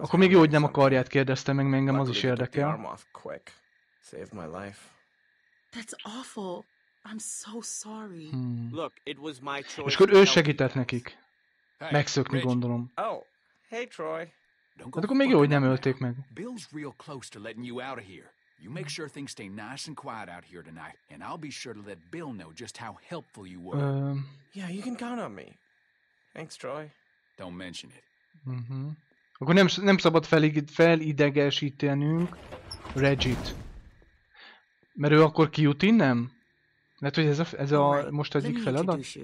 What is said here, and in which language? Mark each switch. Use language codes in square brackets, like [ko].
[hu] Akkor még jó, hogy nem a karját kérdezte meg, engem az is érdekel. [en] Saved my life. That's awful. I'm so sorry. Look, it was my choice. [hu] És akkor ő segített nekik. Megszökni, gondolom. [en] Oh, hey Troy. [hu] Hát akkor még jó, hogy nem ölték meg. [en] Bill's real close to letting you out of here. You make sure things stay nice and quiet out here tonight, and I'll be sure to let Bill know just how helpful you were. Yeah, you can count on me. Thanks, Troy. Don't mention it. [hu] Akkor nem szabad felidegesítenünk Reggie-t. Mert ő akkor kijut innen? Lehet, hogy ez a most egyik feladat?